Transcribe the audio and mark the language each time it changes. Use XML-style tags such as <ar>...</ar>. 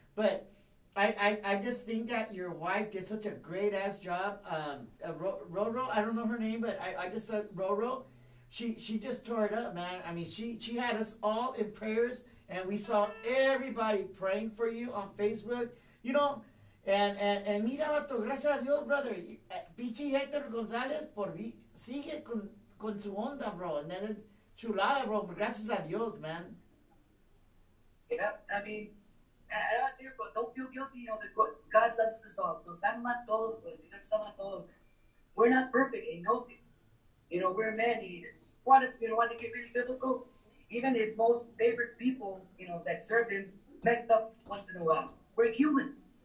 <en>But I just think that your wife did such a great-ass job. Roro, I don't know her name, but I just said Roro. She just tore it up, man. I mean, she had us all in prayers. And we saw everybody praying for you on Facebook, you know.</en> <es>And mira, vato, gracias a Dios, brother. Pichi Hector Gonzalez, por mí, sigue con su onda, bro.</es> <en>And then it's chulada, bro. But</en> <es>gracias a Dios,</es> <en>man. Yeah, I mean, I don't tell you, bro, don't feel guilty. You know, God loves us all.</en> <es>Nos ama todos, bro. Si nos ama todos.</es> <en>We're not perfect. He knows it. You know, we're men. You don't want to get really biblical. Even his most favorite people, you know, that served him, messed up once in a while. We're human.</en>